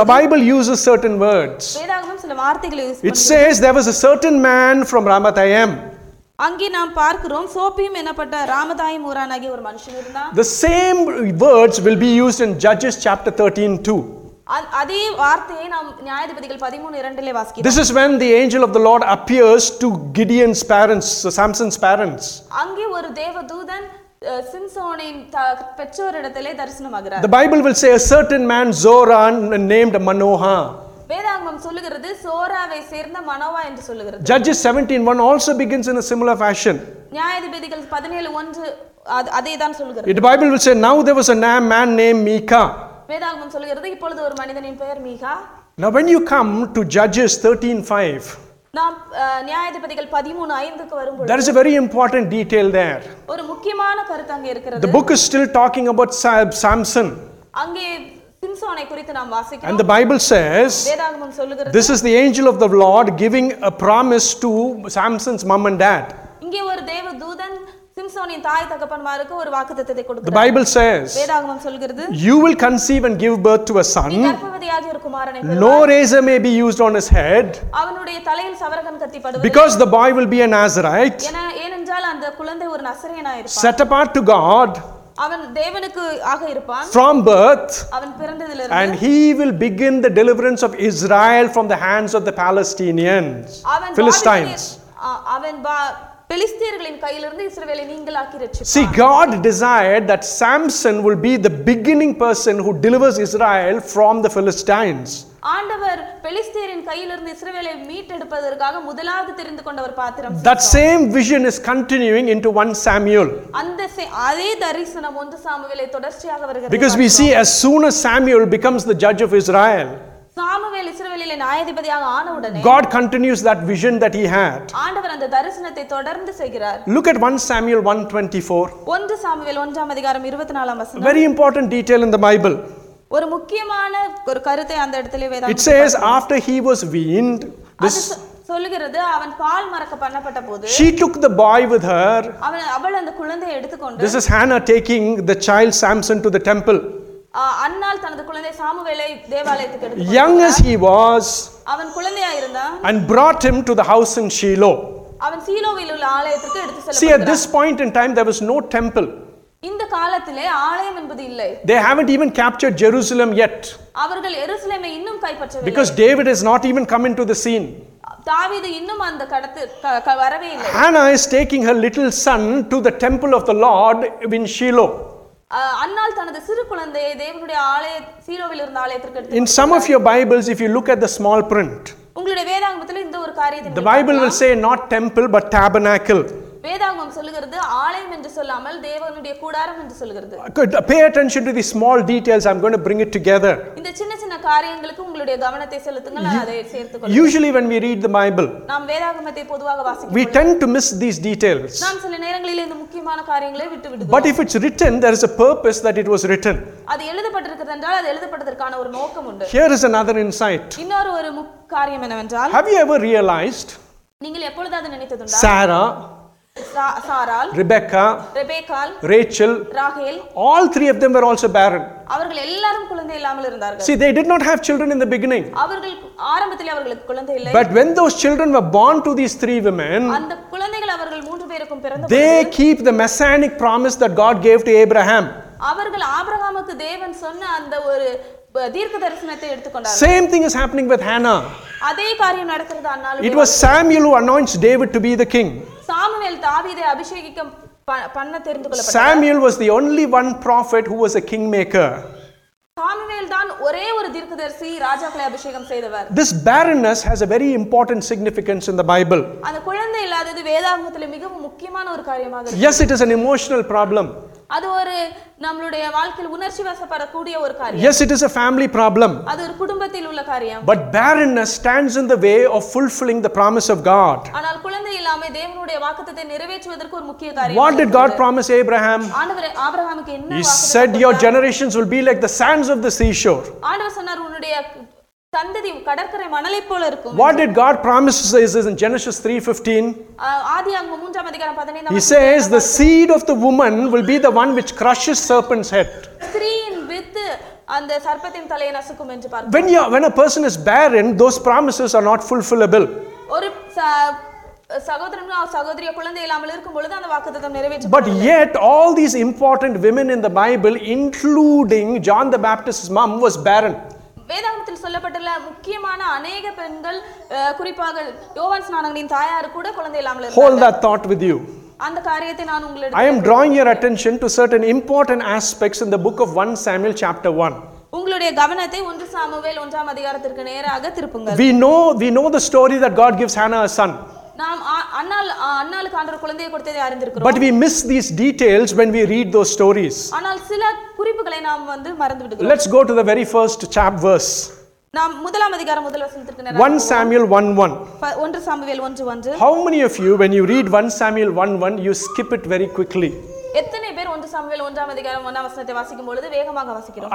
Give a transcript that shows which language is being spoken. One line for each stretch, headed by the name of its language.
English: The Bible uses certain words.
Tamil: வேதாகமம் சில வார்த்தைகளை யூஸ் பண்ணுது.
English: It says there was a certain man from Ramathaim.
Tamil: அங்கே நாம் பார்க்கிறோம் சோபியம் எனப்பட்ட ராமதாயம் ஊரானாகிய ஒரு மனுஷன் இருந்தான்.
English: The same words will be used in Judges chapter 13 2.
Tamil: அதே வார்த்தையை நாம் நியாயாதிபதிகள் 13:2 வாசிக்கிறோம்.
English: This is when the angel of the Lord appears to Gideon's parents, Samson's parents.
Tamil: அங்கே ஒரு தேவதூதன் சிம்சோனின் பெற்றோரிடத்திலே தரிசனமாகிறார்.
English: The Bible will say a certain man Zoran named Manoha.
Tamil: வேதாகமம் சொல்லுகிறது சோராவை சேர்ந்த மனோவா என்று சொல்லுகிறது.
English: Judges 17:1 also begins in a similar fashion.
Tamil: நியாயாதிபதிகள் 17:1 அதேதான் சொல்லுகிறது.
English: The Bible will say now there was a man named Mika.
Tamil: வேதாகமம் சொல்லுகிறது இப்பொழுது ஒரு மனிதனின் பெயர் மீகா.
English: Now when you come to Judges 13:5.
Tamil: நாம் நியாயாதிபதிகள் 13:5க்கு வரும்போது
English: there is a very important detail there.
Tamil: ஒரு முக்கியமான கருத்து அங்கே இருக்கிறது.
English: The book is still talking about Samson.
Tamil: அங்கே சிம்சோனை குறித்து நாம் வாசிக்கிறோம்.
English: And the Bible says,
Tamil: வேதாகமம் சொல்லுகிறது,
English: This is the angel of the Lord giving a promise to Samson's mom and dad.
Tamil: இங்கே ஒரு தேவதூதன் சிம்சோனின் தாய் தகப்பன்மாருக்கு ஒரு வாக்குத்தத்தத்தை கொடுக்கிறது.
English: The Bible says,
Tamil: வேதாகமம் சொல்கிறது,
English: you will conceive and give birth to a son.
Tamil: நீ கர்ப்பவதியாகி ஒரு குமாரனை பெறுவாய்.
English: No razor may be used on his head.
Tamil: அவனுடைய தலையில் சவரகன் கட்டப்படுவது.
English: Because the boy will be a Nazarite.
Tamil: ஏனென்றால் அந்த குழந்தை ஒரு நசரேயனாய் இருப்பார்.
English: Set apart to God.
Tamil: அவன் தேவனுக்கு ஆக இருப்பான்.
English: From birth.
Tamil: அவன் பிறந்ததிலிருந்து.
English: And he will begin the deliverance of Israel from the hands of the Palestinians.
Tamil: அவன்
English: Philistines.
Tamil: அவன் பிலிஸ்தியர்களின் கையிலிருந்து இஸ்ரவேலை நீங்களாக்கி இரட்சிப்பார்.
English: See, God desired that Samson will be the beginning person who delivers Israel from the Philistines.
Tamil: ஆண்டவர் பிலிஸ்தியரின் கையிலிருந்து இஸ்ரவேலை மீட்டெடுப்பதற்காக முதலாவது தெரிந்து கொண்டவர் பாத்திரம்.
English: That same vision is continuing into 1 Samuel.
Tamil: அந்த அதே தரிசனம் 1 சாமுவேலை தொடர்ச்சியாக வருகிறது.
English: Because we see as soon as Samuel becomes the judge of Israel,
Tamil: Samuel இஸ்ரவேலிலே நியாயாதிபதியாக ஆன உடனே
English: God continues that vision that he had.
Tamil: ஆண்டவர் அந்த தரிசனத்தை தொடர்ந்து செய்கிறார்.
English: Look at 1 Samuel 1:24.
Tamil: 1 சாமுவேல் 1 அதிகாரம் 24 வசனம்.
English: Very important detail in the Bible.
Tamil: ஒரு முக்கியமான ஒரு கருத்தை அந்த இடத்திலே வேதம்.
English: It says after he was weaned, this
Tamil: சொல்லுகிறது அவன் பால் மறக்க பண்ணப்பட்ட போது.
English: She took the boy with her.
Tamil: அவள் அந்த குழந்தையை எடுத்துக்கொண்டு.
English: This is Hannah taking the child Samson to the temple.
Tamil: அன்னால் தனது குழந்தை சாமுவேலை தேவாலயத்துக்கு எடுத்து வந்தார்.
English: Young as he was,
Tamil: அவன் குழந்தையாய் இருந்தான்.
English: And brought him to the house in Shiloh.
Tamil: அவன் சீலோவில் உள்ள ஆலயத்துக்கு எடுத்து செல்ல.
English: See, at this point in time there was no temple.
Tamil: இந்த காலத்திலே ஆலயம் என்பது இல்லை.
English: They haven't even captured Jerusalem yet.
Tamil: அவர்கள் எருசலேமை இன்னும் கைப்பற்றவில்லை.
English: Because David has not even come into the scene.
Tamil: தாவீது இன்னும் அந்த கடத்துக்கு வரவே இல்லை.
English: Hannah is taking her little son to the temple of the Lord in Shiloh.
Tamil: அன்னால் தனது சிறு குழந்தையை தேவனுடைய ஆலய சீலோவில் இருந்த ஆலயத்திற்கு எடுத்து.
English: In some of your Bibles, if you look at the small print,
Tamil: உங்களுடைய வேதாகமத்தில் இந்த ஒரு காரியத்தை,
English: the Bible will say not temple but tabernacle.
Tamil: வேதாகமம் சொல்கிறது ஆலயம் என்று சொல்லாமல் தேவனுடைய கூடாரம் என்று சொல்கிறது.
English: Good. Pay attention to the small details. I'm going to bring it together.
Tamil: இந்த சின்ன சின்ன காரியங்களுக்கு உங்களுடைய கவனத்தை செலுத்துங்கள், அதை சேர்த்துக் கொள்.
English: Usually when we read the Bible,
Tamil: நாம் வேதாகமத்தை பொதுவாக வாசிக்கும்
English: we tend to miss these details.
Tamil: நாம் சில நேரங்களில் இந்த முக்கியமான காரியங்களை விட்டு விடுவோம்.
English: But if it's written, there is a purpose that it was written.
Tamil: அது எழுதப்பட்டிருக்கிறது என்றால் அது எழுதப்பட்டதற்கான ஒரு நோக்கம் உண்டு.
English: Here is another insight.
Tamil: இன்னொரு ஒரு காரியம் என்னவென்றால்,
English: have you ever realized,
Tamil: நீங்கள் எப்பொழுதாவது நினைத்ததுண்டா, சாரா, சாராள், Rebecca, ரெபெக்கால், Rachel, Rachel,
English: all three of them were also barren.
Tamil: அவர்கள் எல்லாரும் குழந்தை இல்லாமல் இருந்தார்கள்.
English: See, they did not have children in the beginning.
Tamil: அவர்கள் ஆரம்பத்தில் அவர்களுக்கு குழந்தை இல்லை.
English: But when those children were born to these three women,
Tamil: அந்த குழந்தைகள் அவர்கள் மூன்று பேருக்கும் பிறந்தபோது,
English: they keep the messianic promise that God gave to Abraham.
Tamil: அவர்கள் ஆபிரகாமுக்கு தேவன் சொன்ன அந்த ஒரு தீர்க்கதரிசனத்தை எடுத்துக்கொண்டார்.
English: Same thing is happening with Hannah.
Tamil: அதே காரியம் நடக்கிறது அன்னால.
English: It was Samuel who anointed David to be the king.
Tamil: Samuel தாவீதை அபிஷேகிக்க பண்ண தெரிந்து கொள்ள.
English: Samuel was the only one prophet who was a kingmaker.
Tamil: Samuel தான் ஒரே ஒரு தீர்க்கதரிசி ராஜாக்களை அபிஷேகம் செய்தவர்.
English: This barrenness has a very important significance in the Bible.
Tamil: அந்த குழந்தை இல்லாதது வேதாகமத்தில் மிகவும் முக்கியமான ஒரு காரியமாக இருக்கு.
English: Yes, it is an emotional problem.
Tamil: அது ஒரு நம்மளுடைய வாழ்க்கையில் உணர்ச்சி வசப்படக்கூடிய ஒரு காரியம்.
English: Yes, it is a family problem.
Tamil: அது ஒரு குடும்பத்தில் உள்ள காரியம்.
English: But barrenness stands in the way of fulfilling the promise of God.
Tamil: ஆனால் குழந்தை இல்லாமே தேவனுடைய வாக்குத்தத்தை நிறைவேற்றுவதற்கு ஒரு முக்கிய காரியம்.
English: What did God promise Abraham?
Tamil: ஆண்டவர் ஆபிரகாமுக்கு என்ன வாக்குத்தம் கொடுத்தார்?
English: He said your generations will be like the sands of the seashore.
Tamil: ஆண்டவர் சொன்னார் உன்னுடைய சந்ததி கடற்கரை மணலை போல இருக்கும்.
English: What did God promise us in Genesis 3:15?
Tamil: ஆதியாகமம் 3 அதிகாரம் 15.
English: He says the seed of the woman will be the one which crushes serpent's head.
Tamil: ஸ்திரீயின் வித்து அந்த சர்ப்பத்தின் தலையை நசுக்கும் என்று பார்க்கும்.
English: When a person is barren, those promises are not fulfillable.
Tamil: ஒரு சகோதரனோ சகோதரியோ குழந்தை இல்லாமல் இருக்கும் பொழுது அந்த வாக்குத்தத்தம் நிறைவேற்றப்படும்.
English: But yet all these important women in the Bible, including John the Baptist's mom, was barren.
Tamil: வேதாகமத்தில் சொல்லப்பட்டுள்ள முக்கியமான அநேக பெண்கள், குறிப்பாக யோவான் ஸ்நானகனின் தாயார் கூட குழந்தை இல்லாமல் இருந்தார்.
English: Hold that thought with you.
Tamil: அந்த காரியத்தை நான் உங்களுக்கு,
English: I am drawing your attention to certain important aspects in the book of 1 Samuel chapter 1.
Tamil: உங்களுடைய கவனத்தை 1 சாமுவேல் 1 அதிகாரத்திற்கு நேராக திருப்புங்கள்.
English: We know the story that God gives Hannah a son.
Tamil: நாம் அன்னால் அன்னாளுக்கு ஆண்டவர் குழந்தையை கொடுத்ததை அறிந்திருக்கிறோம்.
English: But we miss these details when we read those stories.
Tamil: ஆனால் சில குறிப்புகளை நாம் வந்து மறந்து விடுகிறோம்.
English: Let's go to the very first chapter verse.
Tamil: நாம் முதலாம் அதிகாரம் முதல் வசனத்திற்கு நேராக.
English: 1 Samuel 1:1.
Tamil: 1 Samuel 1:1.
English: How many of you when you read 1 Samuel 1:1 you skip it very quickly?
Tamil: எத்தனை பேர் 1 சாமுவேல் 1 அதிகாரம் 1 வசனத்தை வாசிக்கும் பொழுது வேகமாக வாசிக்கிறோம்?